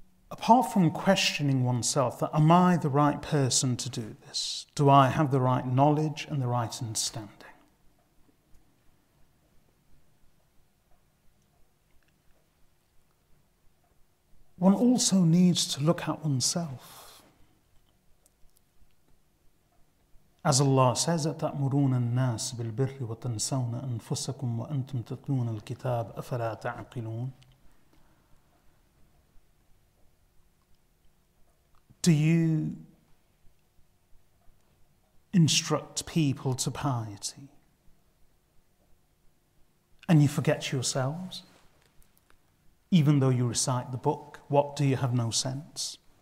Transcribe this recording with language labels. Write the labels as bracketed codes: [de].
[en] Apart from questioning oneself that, am I the right person to do this? Do I have the right knowledge and the right understanding? One also needs to look at oneself. As Allah says, [ar] أَتَأْمُرُونَ النَّاسِ بِالْبِرِّ وَتَنْسَوْنَ أَنفُسَكُمْ وَأَنْتُمْ تَتْلُونَ الْكِتَابَ أَفَلَا تَعْقِلُونَ. [en] Do you instruct people to piety and you forget yourselves? Even though you recite the book, what, do you have no sense?